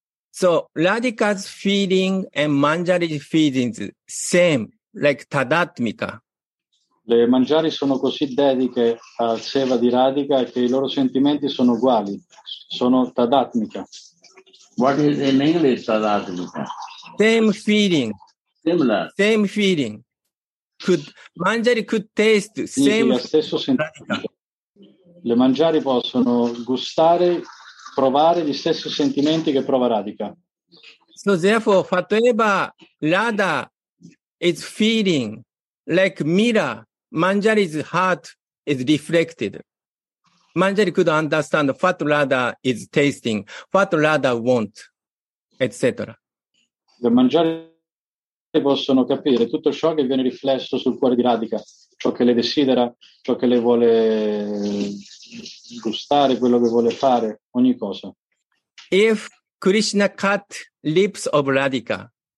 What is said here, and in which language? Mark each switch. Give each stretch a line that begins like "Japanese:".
English: So Radhika's feeling and Manjari's feelings same, like tadatmika.
Italian: Le Manjari sono così dediche al seva di Radhika che i loro sentimenti sono uguali, sono tadatmika.
English: What is in English tadatmika? Same feeling. Similar. Same feeling. Could Manjari could taste same.
Italian: Lo stesso sentimento. Le Manjari possono gustare, provare gli stessi sentimenti che prova Radhika.
English: So therefore, whatever Radha is feeling like mirror, Manjari's heart is reflected. Manjari could understand what Radha is tasting, what Radha wants, etc.
Italian: Le Manjari possono capire tutto ciò che viene riflesso sul cuore di Radhika, ciò che le desidera, ciò che le vuole gustare, quello che vuole fare, ogni cosa.
English: If Krishna cut lips of Radhika,